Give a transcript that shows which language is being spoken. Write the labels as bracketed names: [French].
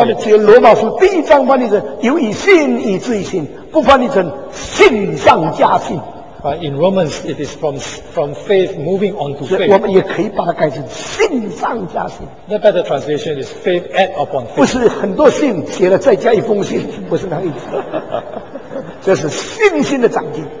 [Chinese] 他们只有罗马书第一章翻译成由以信以至于信，不翻译成信上加信。 [English] But in Romans, it is from faith moving on to faith. [Chinese] 我们也可以把它改成信上加信。 [English] The better translation is faith add upon faith. [Chinese] 不是很多信写了再加一封信，不是那意思。这是信心的长进。